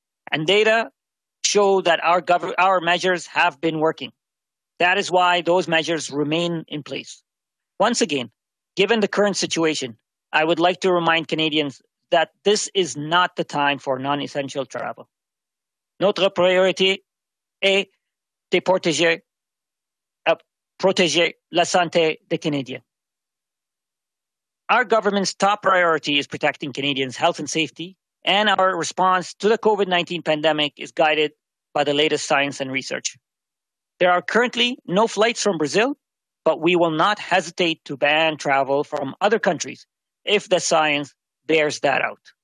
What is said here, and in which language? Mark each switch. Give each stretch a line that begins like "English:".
English: And data show that our measures have been working. That is why those measures remain in place. Once again, given the current situation, I would like to remind Canadians that this is not the time for non-essential travel.
French: Notre priorité est de protéger la santé des Canadiens.
English: Our government's top priority is protecting Canadians' health and safety, and our response to the COVID-19 pandemic is guided by the latest science and research. There are currently no flights from Brazil, but we will not hesitate to ban travel from other countries if the science bears that out.